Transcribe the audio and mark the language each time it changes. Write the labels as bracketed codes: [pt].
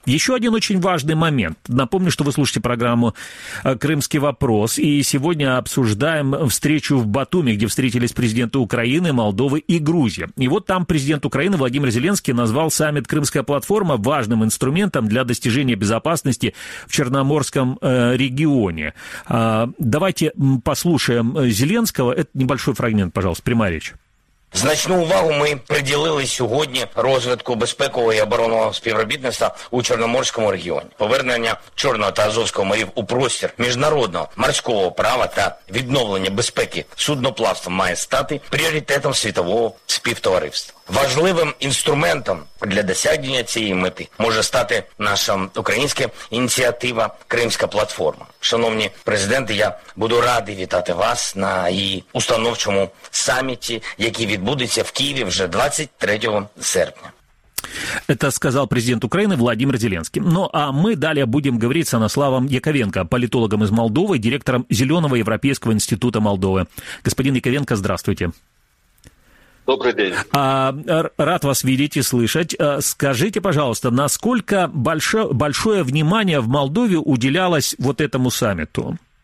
[ru] Еще один очень важный момент. Напомню, что вы слушаете программу «Крымский вопрос», и сегодня обсуждаем встречу в Батуми, где встретились президенты Украины, Молдовы и Грузии. И вот там президент Украины Владимир Зеленский назвал саммит «Крымская платформа» важным инструментом для достижения безопасности в Черноморском регионе. Давайте послушаем Зеленского. Это небольшой фрагмент, пожалуйста, прямая речь. [uk] Значну увагу ми приділили сьогодні розвитку безпекового і оборонного співробітництва у Чорноморському регіоні. Повернення Чорного та Азовського морів у простір міжнародного морського права та відновлення безпеки судноплавства має стати пріоритетом світового співтовариства. Важливим інструментом для досягнення цієї мети може стати наша українська ініціатива «Кримська платформа». Шановні президенти, я буду радий вітати вас на її установчому саміті, який відбудеться в Києві вже 23 серпня. [ru] Это сказал президент Украины Владимир Зеленский. Ну, а мы далее будем говорить с Анаславом Яковенко, политологом из Молдовы, директором Зеленого Европейского института Молдовы. Господин Яковенко, здравствуйте. Добрый день. Рад вас видеть и слышать. Скажите, пожалуйста, насколько большое внимание в Молдове уделялось вот этому саммиту?